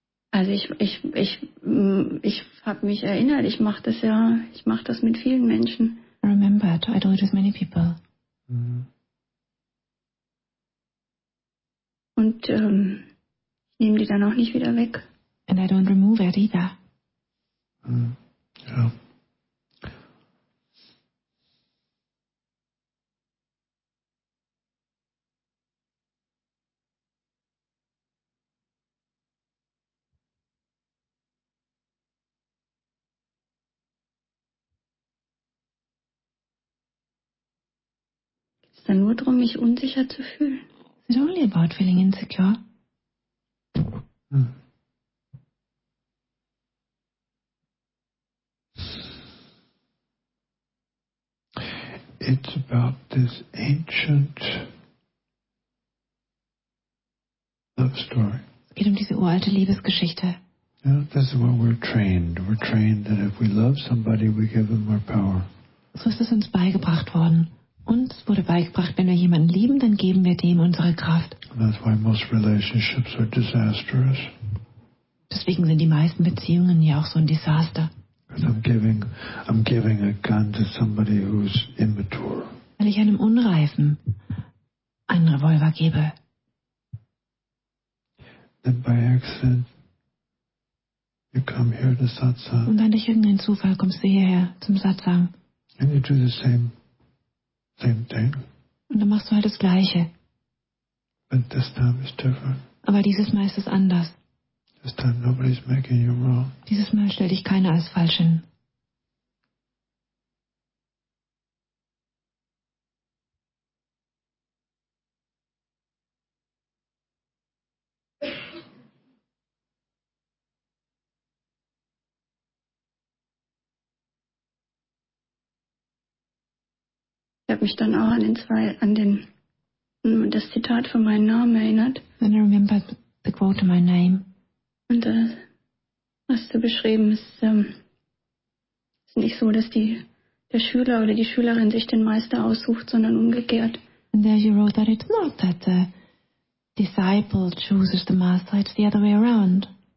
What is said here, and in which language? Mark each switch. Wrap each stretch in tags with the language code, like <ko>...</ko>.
<de>Also ich habe mich erinnert, ich mache das ja, ich mache das mit vielen Menschen.</de> <en>I remembered, I do it with many people.</en> <de>Und ich nehme die dann auch nicht wieder weg.</de> <en>And I don't remove it either.</en> <de>Ja. Es ist nur darum, mich unsicher zu fühlen.</de> <en>Is it only about feeling insecure? Hm. this ancient love story.</en> <de>Es geht um diese uralte Liebesgeschichte.</de> <en>Yeah, that's what we're trained. We're trained that if we love somebody, we give them more power.</en> <de>So ist es uns beigebracht worden. Uns wurde beigebracht, wenn wir jemanden lieben, dann geben wir dem unsere Kraft.</de> <en>That's why most relationships are disastrous.</en> <de>Deswegen sind die meisten Beziehungen ja auch so ein Desaster.</de> <en>I'm giving a gun to somebody who's immature.</en> <de>Weil ich einem Unreifen einen Revolver gebe.</de> <en>Then by accident you come here to satsang.</en> <de>Und dann durch irgendeinen Zufall kommst du hierher zum Satsang.</de> <en>And you do the same thing.</en> <de>Und dann machst du halt das Gleiche.</de> <en>But this time is different.</en> <de>Aber dieses Mal ist es anders.</de> <en>This time nobody's making you wrong.</en> <de>Dieses Mal stellt dich keiner als falsch hin. Ich habe mich dann auch an das Zitat von meinem Namen erinnert.</de> <en>Then I remembered the quote of my name.</en> <de>Und da hast du beschrieben, ist nicht so, dass der Schüler oder die Schülerin sich den Meister aussucht, sondern umgekehrt.</de> <en>And there you wrote that it's not that the disciple chooses the master, it's the other way around.</en>